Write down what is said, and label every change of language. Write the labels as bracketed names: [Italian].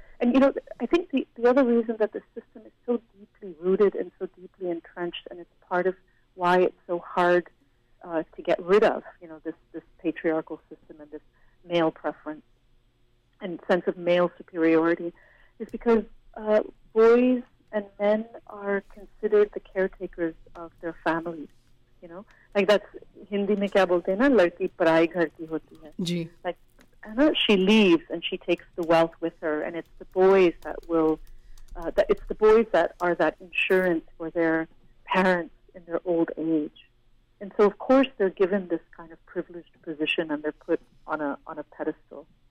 [English] And you know, I think the other reason that the system is so deeply rooted and so deeply entrenched, and it's part of why it's so hard to get rid of, you know, this patriarchal system and this male preference and sense of male superiority, is because boys and men are considered the caretakers of their families, you know. Like that's [Hindi] Hindi में क्या बोलते है ना, लड़की पराई घर की होती है. Ji. [English] Like, you know, she leaves and she takes the wealth with her, and it's the boys that will, it's the boys that are that insurance for their parents in their old age, and so of course they're given this kind of privileged position and they're put on a pedestal.